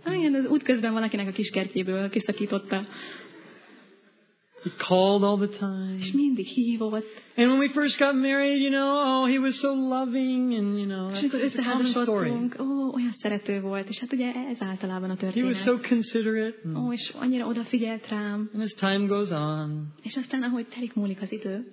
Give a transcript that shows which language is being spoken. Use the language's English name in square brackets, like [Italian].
[Hungarian] Igen, az útközben valakinek a kis kertjéből kiszakította. [English] He called all the time. [Hungarian] És mindig hívott. [English] And when we first got married, you know, oh, he was so loving, and you know, that's a common story. [Hungarian] Olyan szerető volt, és hát ugye ez általában a történet. [English] He was so considerate. [Hungarian] Ó, és annyira odafigyelt rám. [English] And as time goes on. [Hungarian] És aztán ahogy telik múlik az idő.